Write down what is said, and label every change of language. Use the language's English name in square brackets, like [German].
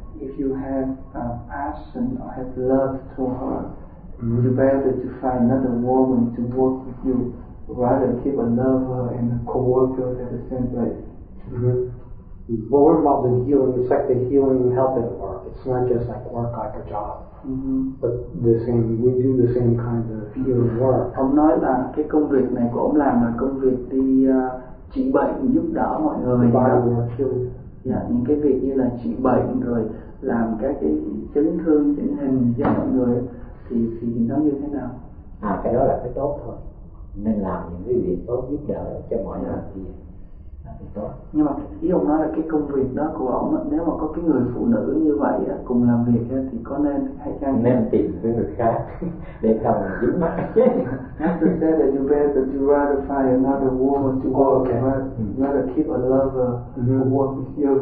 [English] if you have passion or have love to her, you better to find another woman to work with you, rather keep a lover and a co-worker at the same place. Mm-hmm. Well, we're involved in healing, it's like the healing and helping work. It's not just like work like a job. Mm-hmm. But the same, we do the same kind of healing work. [Vietnamese] Ông nói là cái công việc này của ông làm là công việc đi trị bệnh, giúp đỡ mọi người. [English] Body work too. [Vietnamese] Yeah, những cái việc như là trị bệnh rồi làm các cái chấn thương, chấn hình cho mọi người thì nó như thế nào? À, cái đó là cái tốt thôi. Nên làm những cái việc tốt giúp đỡ cho mọi người thì là cái tốt. Nhưng mà ý ông nói là cái công việc đó của ông á, nếu mà có cái người phụ nữ như vậy á, cùng làm việc á, thì có nên hay chăng? Nên tìm cái người khác để không dính mắt. [English] After said that you better to rather find another woman to work with, rather keep a lover to work with you.